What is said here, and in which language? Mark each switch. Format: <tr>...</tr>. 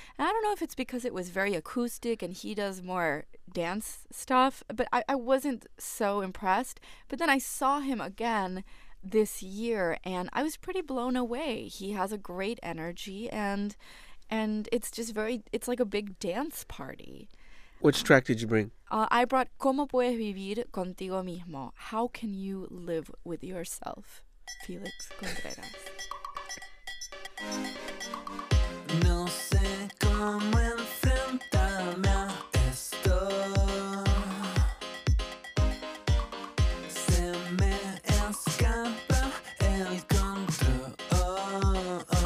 <en>And I don't know if it's because it was very acoustic and he does more dance stuff, but I wasn't so impressed. But then I saw him again this year and I was pretty blown away. He has a great energy and it's just very, it's like a big dance party. Which track did you bring? I brought</en> <es>¿Cómo puedes vivir contigo mismo?</es> <en>How can you live with yourself? Felix Contreras.</en> <es>No sé cómo enfrentarme a esto. Se me escapa el control.</es>